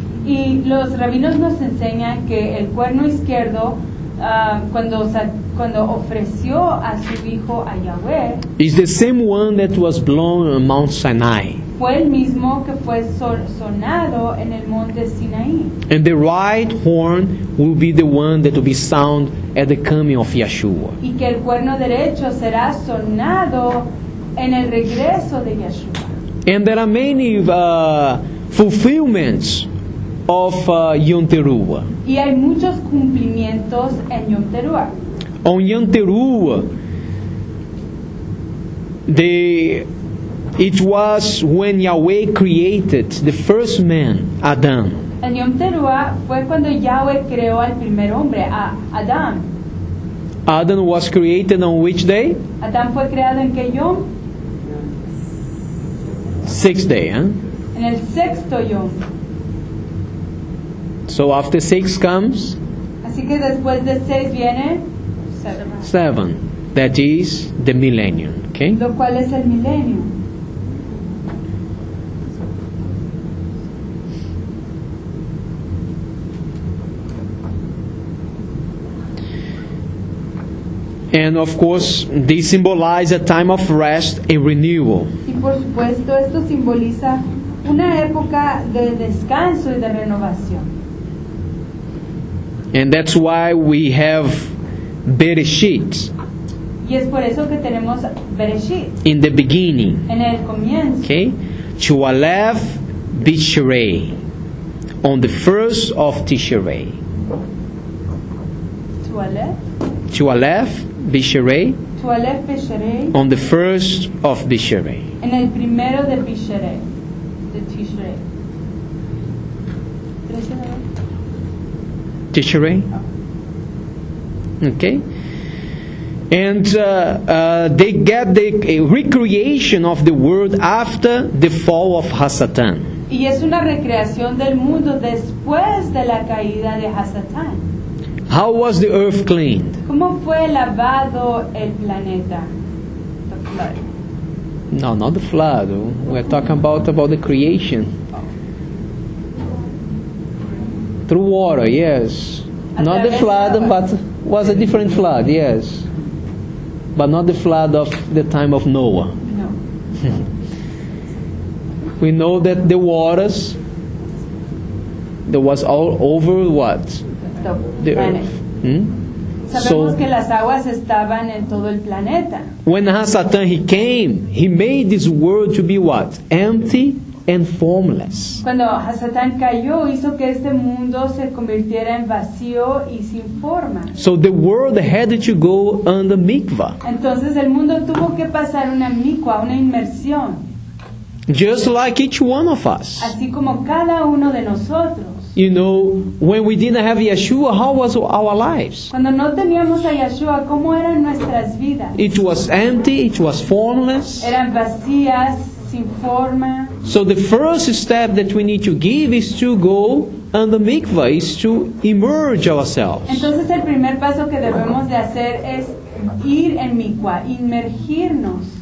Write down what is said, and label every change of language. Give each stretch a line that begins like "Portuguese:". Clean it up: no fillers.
Spanish: Y los rabinos nos enseñan que el cuerno izquierdo cuando ofreció a su hijo a Yahweh
English: is the same one that was blown on Mount Sinai.
Spanish: Fue el mismo que fue sonado en el monte Sinaí.
English: And the right horn will be the one that will be sound at the coming of Yeshua.
Spanish: Y que el cuerno derecho será sonado en el regreso de Yeshua.
English: And there are many fulfillments of Yom Teruah.
Spanish: Y hay muchos cumplimientos en Yom Teruah.
English: On Yom Teruah, it was when Yahweh created the first man, Adam.
Spanish: En Yom Teruah fue cuando Yahweh creó al primer hombre, a Adam.
English: Adam was created on which day?
Spanish: Adam fue creado en qué yom?
English: Sixth day, huh?
Spanish: En el sexto yom.
English: So after six comes?
Spanish: Así que después de seis viene?
English: Seven. That is the millennium, okay?
Spanish: Lo cual es el milenio.
English: And of course, they symbolize a time of rest and renewal.
Spanish: Y por supuesto, esto simboliza una época de descanso y de renovación.
English: And that's why we have Bereshit.
Spanish: Y es por eso que tenemos Bereshit.
English: In the beginning.
Spanish: En el comienzo. Okay? Chualef Bishrei.
English: On the first of Tishrei. Chualef? Bishrei. Tualef Bishrei. On the first of Bishrei.
Spanish: En el primero de Bishrei.
English: The Tishrei. Tishrei. Okay. And they get the recreation of the world after the fall of Hasatan.
Spanish: Y es una recreación del mundo después de la caída de Hasatan.
English: How was the earth cleaned?
Spanish: ¿Cómo fue lavado el planeta?
English: The flood. No, not the flood. We're talking about the creation. Through water, yes. Not the flood, but was a different flood, yes. But not the flood of the time of Noah. No. We know that the waters, there was all over what? The earth.
Spanish: Sabemos que las aguas estaban en todo el planeta.
English: When Hasatan he came, he made this world to be what? Empty and formless.
Spanish: Cuando Hasatan cayó, hizo que este mundo se convirtiera en vacío y sin forma.
English: So the world had to go under mikvah.
Spanish: Entonces el mundo tuvo que pasar una mikvah, una inmersión.
English: Just like each one of us.
Spanish: Así como cada uno de nosotros.
English: You know, when we didn't have Yeshua, how was our lives?
Spanish: Cuando no teníamos a Yeshua, ¿cómo eran nuestras vidas?
English: It was empty, it was formless.
Spanish: Eran vacías, sin forma.
English: So the first step that we need to give is to go under mikvah, is to immerse ourselves.
Spanish: Entonces el primer paso que debemos de hacer es ir en mikvah, inmergirnos.